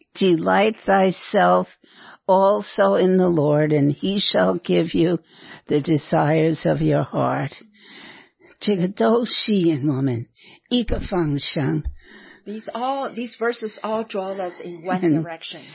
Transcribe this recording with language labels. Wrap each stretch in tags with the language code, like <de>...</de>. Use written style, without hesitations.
<en>Delight thyself also in the Lord, and he shall give you the desires of your heart.</en> <zh>这个都吸引我们一个方向,</zh> <en>these verses all draw us in one direction.</en>